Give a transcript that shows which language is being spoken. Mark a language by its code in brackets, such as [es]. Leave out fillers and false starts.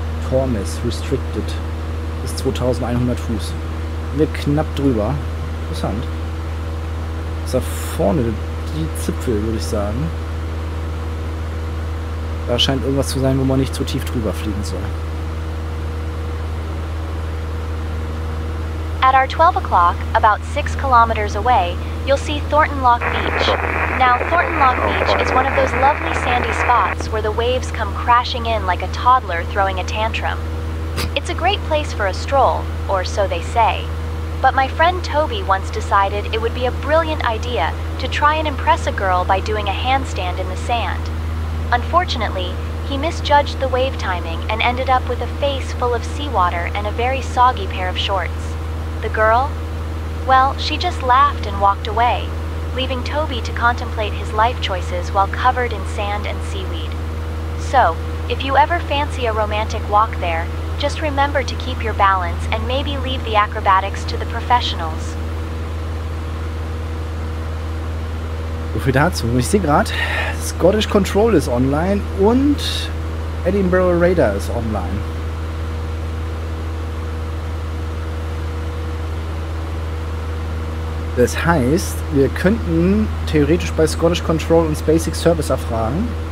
[de] Tormes restricted bis 2100 Fuß. Wir knapp drüber. Interessant. Ist da vorne die Zipfel, würde ich sagen. Da scheint irgendwas zu sein, wo man nicht zu tief drüber fliegen soll. [en] At our 12 o'clock, about 6 kilometers away, you'll see Thornton Lock Beach. Now, Thornton Lock Beach is one of those lovely sandy spots where the waves come crashing in like a toddler throwing a tantrum. It's a great place for a stroll, or so they say. But my friend Toby once decided it would be a brilliant idea to try and impress a girl by doing a handstand in the sand. Unfortunately, he misjudged the wave timing and ended up with a face full of seawater and a very soggy pair of shorts. The girl? Well, she just laughed and walked away, leaving Toby to contemplate his life choices while covered in sand and seaweed. So, if you ever fancy a romantic walk there, just remember to keep your balance and maybe leave the acrobatics to the professionals. [de] So viel dazu. Ich sehe gerade, Scottish Control ist online und Edinburgh Radar ist online. Das heißt, wir könnten theoretisch bei Scottish Control und Basic Service erfragen.